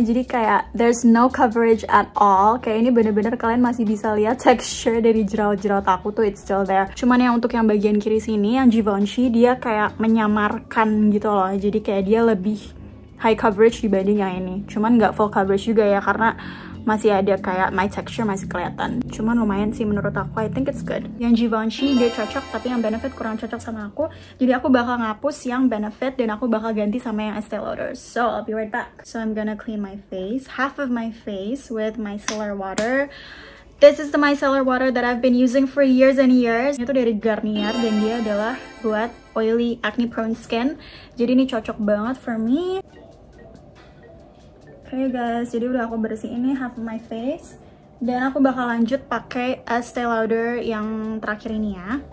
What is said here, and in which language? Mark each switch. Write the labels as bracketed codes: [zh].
[id] Jadi kayak [en] there's no coverage at all. [id] Kayak ini bener-bener kalian masih bisa lihat texture dari jerawat-jerawat aku tuh, [en] it's still there. [id] Cuman yang untuk yang bagian kiri sini, yang Givenchy, dia kayak menyamarkan gitu loh. Jadi kayak dia lebih high coverage dibanding yang ini. Cuman nggak full coverage juga ya, karena masih ada kayak [en] my texture [id] masih kelihatan. Cuman lumayan sih menurut aku, [en] I think it's good. [id] Yang Givenchy dia cocok, tapi yang Benefit kurang cocok sama aku. Jadi aku bakal ngapus yang Benefit dan aku bakal ganti sama yang Estee Lauder. [en] So I'll be right back. So I'm gonna clean my face, half of my face, with micellar water. This is the micellar water that I've been using for years and years. [id] Ini tuh dari Garnier dan dia adalah buat oily acne prone skin. Jadi ini cocok banget [en] for me. [id] Okay guys, jadi udah aku bersihin nih [en] half of my face [id] dan aku bakal lanjut pakai Estee Lauder yang terakhir ini ya.